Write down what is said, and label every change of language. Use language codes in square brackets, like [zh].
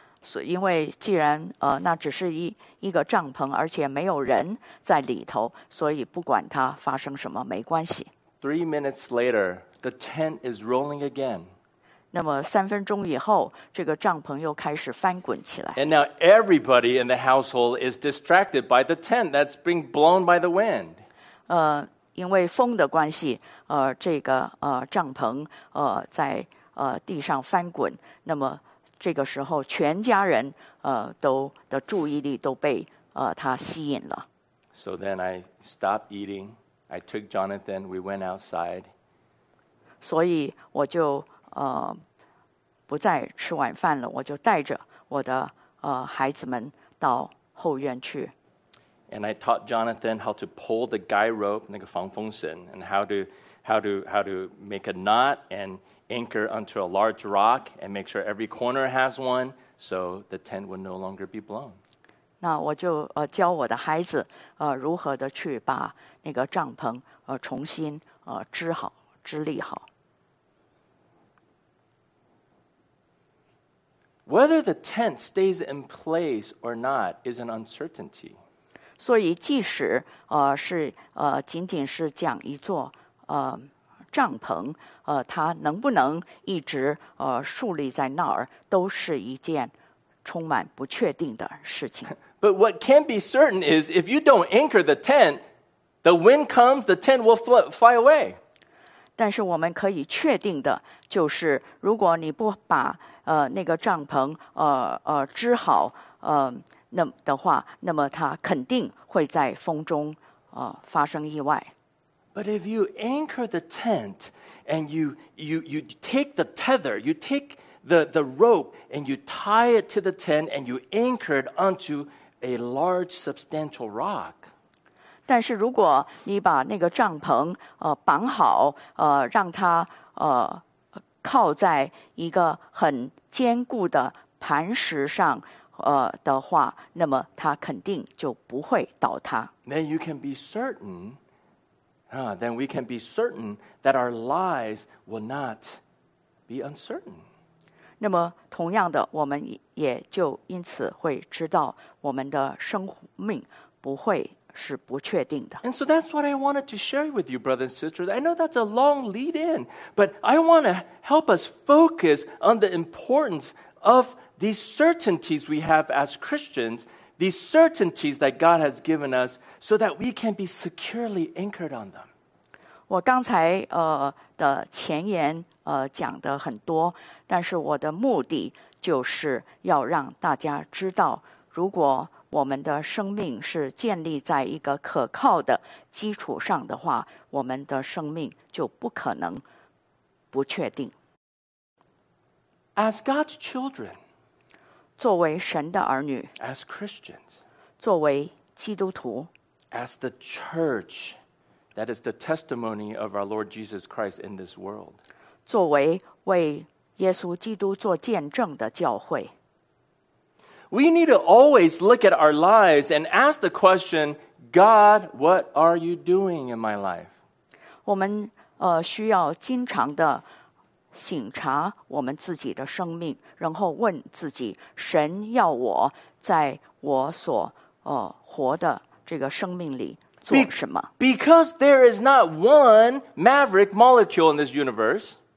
[zh] 所以因为既然那只是一个帐篷，而且没有人在里头，所以不管它发生什么没关系。 [en] 3 minutes later, the tent is rolling again. [zh] 那么三分钟以后，这个帐篷又开始翻滚起来。 [en] And now everybody in the household is distracted by the tent that's being blown by the wind. [zh] 因为风的关系，这个帐篷在地上翻滚，那么。这个时候全家人都的注意力都被他吸引了。 [en] So then I stopped eating. I took Jonathan. We went outside. [zh] 所以我就不再吃晚饭了。我就带着我的孩子们到后院去。 [en] And I taught Jonathan how to pull the guy rope, [zh] 那个防风绳, [en] and how to make a knot and anchor onto a large rock and make sure every corner has one so the tent would no longer be blown. [zh] 那我就教我的孩子如何的去把那个帐篷重新织好织立好。 [en] Whether the tent stays in place or not is an uncertainty. [zh] 所以即使是仅仅是讲一座帐篷它能不能一直树立在那儿都是一件充满不确定的事情。 [en] But what can be certain is if you don't anchor the tent, the wind comes, the tent will fly away. [zh] 但是我们可以确定的就是如果你不把那个帐篷织好那的话那么它肯定会在风中发生意外。 [en] But if you anchor the tent and you take the tether, you take the rope and you tie it to the tent and you anchor it onto a large substantial rock. [zh] 但是如果你把那个帐篷绑好让它靠在一个很坚固的磐石上的话那么它肯定就不会倒塌。 [en] Then you can be certain then we can be certain that our lives will not be uncertain. [zh] 那么同样的我们也就因此会知道我们的生命不会是不确定的。 [en] And so that's what I wanted to share with you, brothers and sisters. I know that's a long lead in, but I want to help us focus on the importance of these certainties we have as Christians. These certainties that God has given us so that we can be securely anchored on them. [zh] 我刚才的前言讲的很多但是我的目的就是要让大家知道如果我们的生命是建立在一个可靠的基础上的话我们的生命就不可能不确定。 [en] As God's children, [zh] 作为神的儿女 [en] ，as Christians， [zh] 作为基督徒 [en] ，as the church， that is the testimony of our Lord Jesus Christ in this world， [zh] 作为为耶稣基督做见证的教会 [en] ，we need to always look at our lives and ask the question， God， what are you doing in my life？ [zh] 我们需要经常的。醒察我们自己的生命，然后问自己：神要我在我所活的这个生命里做什么 [en] ？Because there is not one maverick molecule in this universe.